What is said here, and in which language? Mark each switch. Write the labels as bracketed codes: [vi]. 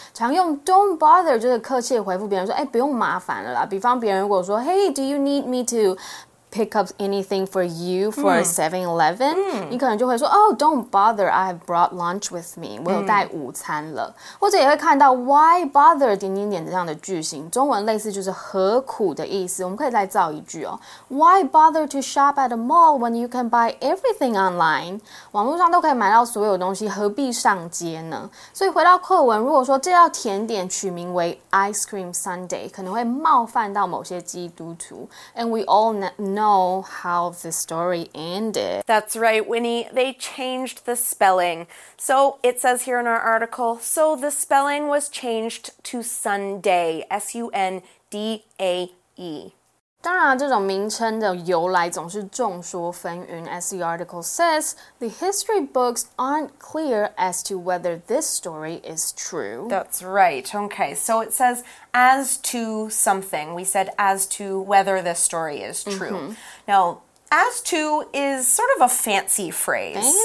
[zh] 常用 don't bother 就是客气回复别人说、欸、不用麻烦了啦。比方别人如果说 [en] Hey, do you need me to pick up anything for you for 7-Eleven?、 [zh] 你可能就会说 [en] Oh, don't bother, I have brought lunch with me. [zh] 我有带午餐了。或者也会看到 why bother 点点点这样的句型。中文类似就是何苦的意思。我们可以再造一句哦。 [en] Why bother to shop at a mall when you can buy everything online? [zh] 网络上都可以买到所有东西，何必上街呢？所以回到课文，如果说这道甜点取名为 Ice Cream Sundae, 可能会冒犯到某些基督徒。 [en] And we all know how the story ended. That's right, Winnie. They changed the spelling. So it says here in our article, so the spelling was changed to Sundae, S-U-N-D-A-E. [zh] 当然、啊、这种名称的由来总是众说纷纭。 [en] As the article says, the history books aren't clear as to whether this story is true. That's right. Okay, so it says as to something. We said as to whether this story is true. Now, as to is sort of a fancy phrase.